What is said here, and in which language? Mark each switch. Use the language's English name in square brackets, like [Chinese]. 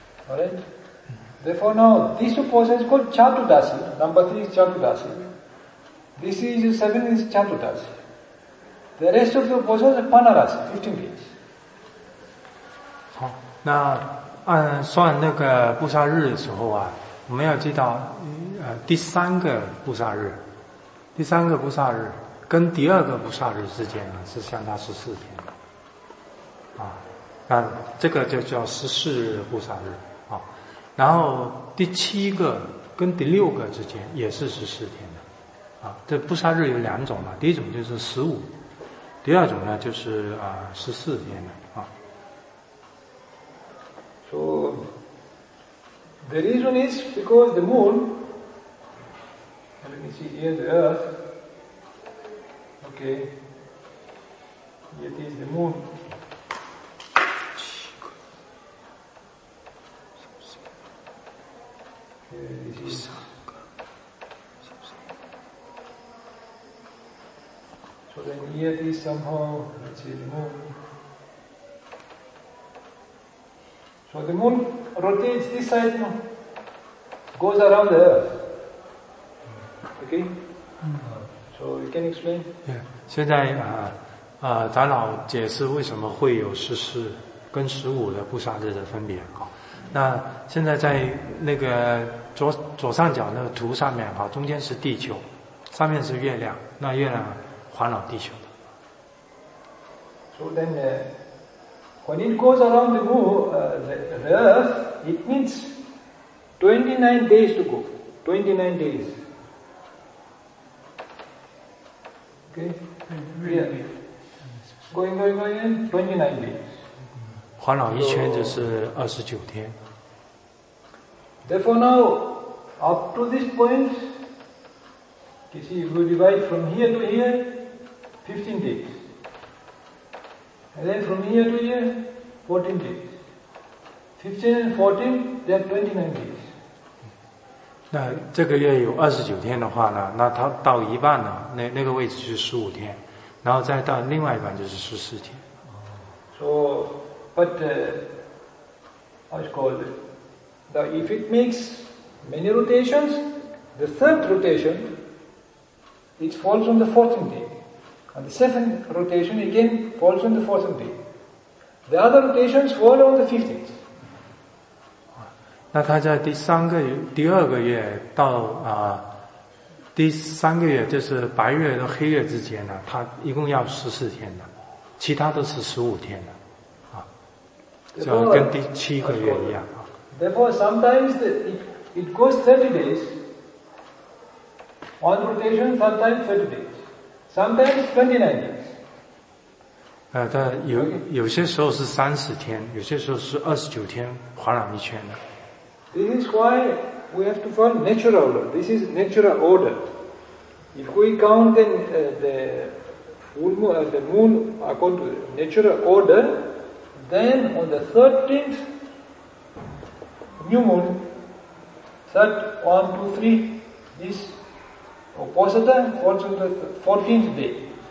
[English] Alright? Therefore, now, this upasana is called Chatudasi. Number 3 is Chatudasi. This is 7 is Chatudasi. The rest of the upasana is Panarasi, 15 days. [Chinese] 算那个布萨日的时候啊，我们要记到第三个布萨日，第三个布萨日跟第二个布萨日之间呢是相差14天啊，那这个就叫14日布萨日啊，然后第七个跟第六个之间也是14天的啊，这布萨日有两种嘛，第一种就是15，第二种呢就是14天的。 [English] So, the reason is because the moon, let me see here the earth, okay, it is the moon. Here it is. So then here it is somehow, let's see the moon. So the moon rotates this side, no? Goes around the earth. Okay? So you can explain? Yeah. [Chinese] 现在长老解释为什么会有14跟15的布萨日的分别。那现在在那个左上角那个图上面，中间是地球，上面是月亮，那月亮环绕地球的。 [English] So then,When it goes around the moon, the earth, it needs 29 days to go. 29 days. Okay? Yeah. Going, 29 days. [Chinese] 环绕一圈就是29天。 [English] Therefore now, up to this point, you see, if we divide from here to here, 15 days. And then from here to here,14 days. 15 and 14, they are 29 days. [Chinese] 那这个月有29天的话呢，那它到一半呢，那个位置是15天，然后再到另外一半就是14天。 [English] So, but, how it's called, if it makes many rotations, the third rotation, it falls on the 14th day. And the seventh rotation again falls on the 14th day. The other rotations fall on the 15th. [Chinese] 那他在第三个月、第二个月到第三个月就是白月到黑月之间呢，他一共要14天的，其他都是15天的，啊，就跟第七个月一样啊。 [English] Therefore, sometimes it goes 30 days, one rotation, sometimes 30 days, sometimes 29 days. [Chinese] 但有些时候是30天，有些时候是29天环绕一圈的。 [English] This is why we have to find natural order. This is natural order. If we count then, the moon according to natural order, then on the 13th new moon, 1, 2, 3, this upasada falls on the 14th day.